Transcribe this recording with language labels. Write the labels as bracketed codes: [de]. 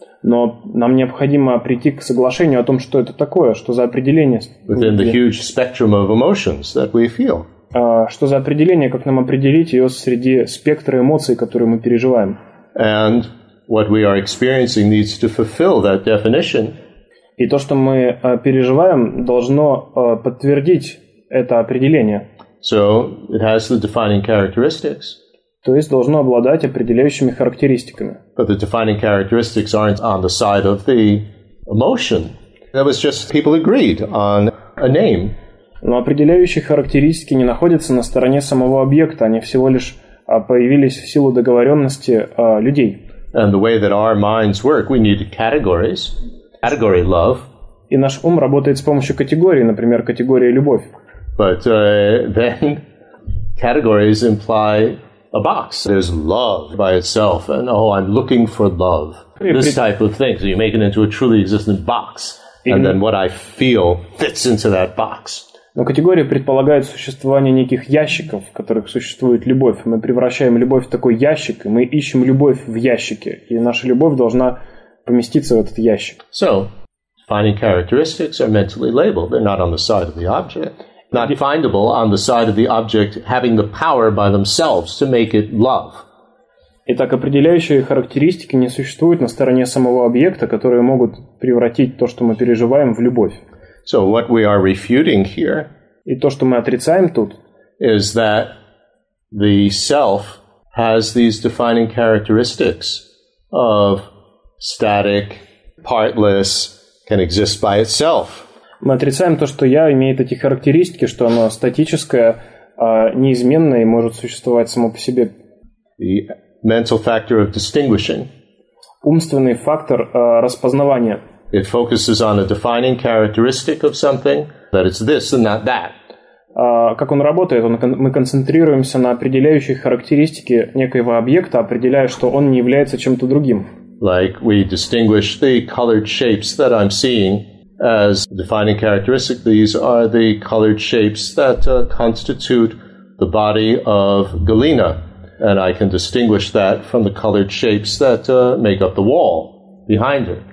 [ru] Но нам необходимо прийти к соглашению о том, что это такое, что за определение. [en] Within the huge spectrum of emotions that we feel. [ru] Что за определение, как нам определить ее среди спектра эмоций, которые мы переживаем. [en] And what we are experiencing needs to fulfill that definition. [ru] И то, что мы переживаем, должно подтвердить это определение. [en] So it has the defining characteristics. [ru] То есть должно обладать определяющими характеристиками. [en] But the defining characteristics aren't on the side of the emotion. That was just people agreed on a name. [ru] Но определяющие характеристики не находятся на стороне самого объекта, они всего лишь появились в силу договоренности людей. [en] And the way that our minds work, we need categories. Category love. [ru] И наш ум работает с помощью категорий, например, категория любовь. [en] But then categories imply a box. There's love by itself, and oh, I'm looking for love. This type of thing. So you make it into a truly existent box, and then what I feel fits into that box. [ru] Но категория предполагает существование неких ящиков, в которых существует любовь. Мы превращаем любовь в такой ящик, и мы ищем любовь в ящике, и наша любовь должна поместиться в этот ящик. [en] So, defining characteristics are mentally labeled. They're not on the side of the object. Not findable on the side of the object having the power by themselves to make it love. [ru] Итак, определяющие характеристики не существуют на стороне самого объекта, которые могут превратить то, что мы переживаем, в любовь. [en] So what we are refuting here, [ru] и то, что мы отрицаем тут, [en] is that the self has these defining characteristics of static, partless, can exist by itself. [ru] Мы отрицаем то, что я имеет эти характеристики, что оно статическое, неизменное и может существовать само по себе. [en] The mental factor of distinguishing. [ru] Умственный фактор распознавания. [en] It focuses on a defining characteristic of something, that it's this and not that. [ru] Как он работает? Мы концентрируемся на определяющих характеристике некоего объекта, определяя, что он не является чем-то другим. [en] Like we distinguish the colored shapes that I'm seeing as defining characteristic. These are the colored shapes that constitute the body of Galena. And I can distinguish that from the colored shapes that make up the wall behind her.